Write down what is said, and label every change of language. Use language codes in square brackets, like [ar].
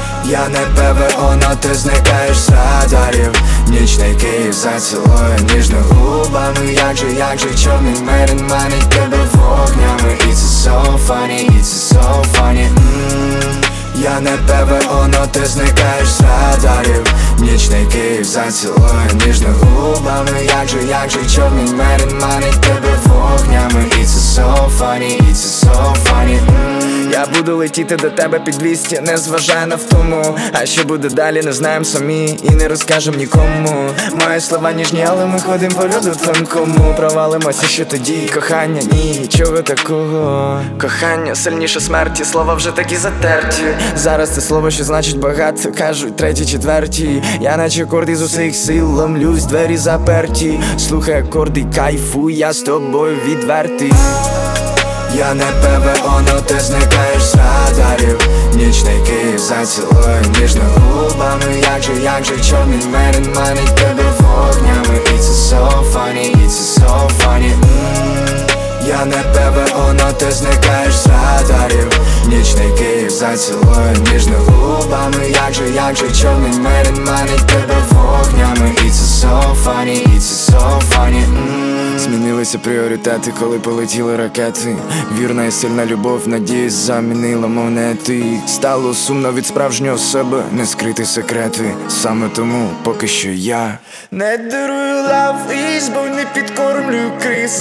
[uk] Я не ПВО, но ти зникаєш з радарів. Нічний Київ зацілує ніжно губами. Як же чорний мерин манить тебе вогнями. [en] It's so funny, it's so funny. [uk] Я не ПВО, но ти зникаєш з радарів. Нічний Київ зацілує ніжно губами. Як же чорний мерин манить тебе вогнями. [en] It's so funny, it's so funny. [uk] Я буду летіти до тебе під 200, не зважаю на втому. А що буде далі, не знаєм самі і не розкажем нікому. Мої слова ніжні, але ми ходим по льоду тонкому. Провалимося, що тоді? Кохання, ні, нічого такого. Кохання сильніше смерті, слова вже такі затерті. Зараз це слово, що значить багато, кажуть треті, четверті. Я наче акорди з усіх сил ломлюсь, двері заперті. Слухай акорди, кайфуй, я з тобою відвертий. Я не ПВО, но ти зникаєш з радарів. Нічний Київ зацілує ніжно губами. Як же чорний мерин манить тебе вогнями. [en] It's so funny, it's so funny. [uk] Я не ПВО, но ти зникаєш з радарів. Нічний Київ зацілує ніжно губами. Як же чорний мерин манить тебе вогнями. [en] It's so funny, it's so funny. [uk] Змінилися пріоритети, коли полетіли ракети. Вірна і сильна любов, надії замінила монети. Стало сумно від справжнього себе, не скрити секрети. Саме тому, поки що я не дарую лав, ізбу не підкормлю криз.